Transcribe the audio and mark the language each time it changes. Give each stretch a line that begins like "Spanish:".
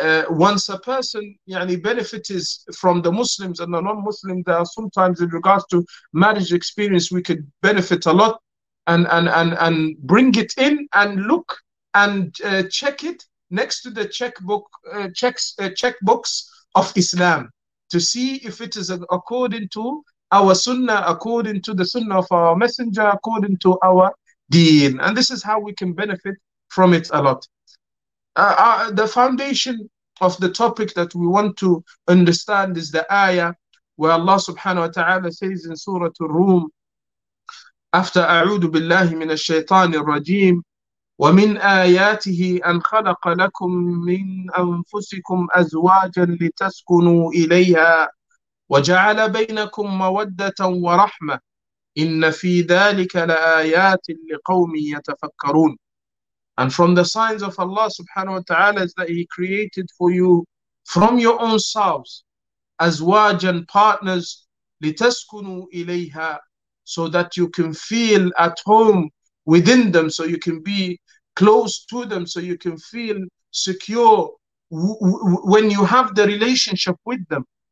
English: Once a person يعني benefits from the Muslims and the non-Muslim, there are sometimes in regards to marriage experience, we could benefit a lot and bring it in and look and check it next to the checkbook checkbooks of Islam to see if it is according to our Sunnah, according to the Sunnah of our Messenger, according to our Deen, and this is how we can benefit from it a lot. The foundation of the topic that we want to understand is the ayah where Allah subhanahu wa ta'ala says in Surah Al-Rum, after
Arabic: أَعُوذُ بِاللَّهِ مِنَ الشَّيْطَانِ الرَّجِيمِ وَمِنْ آيَاتِهِ أَنْ خَلَقَ لَكُمْ مِنْ أَنفُسِكُمْ أَزْوَاجًا لِتَسْكُنُوا إِلَيْهَا وَجَعَلَ بَيْنَكُمْ مَوَدَّةً وَرَحْمَةً إِنَّ فِي ذَلِكَ لَآيَاتٍ لِقَوْمٍ يَتَفَكَّرُونَ.
English: And from the signs of Allah subhanahu wa ta'ala is that He created for you from your own selves azwaj and partners litaskunu ilayha, so that you can feel at home within them, so you can be close to them, so you can feel secure when you have the relationship with them.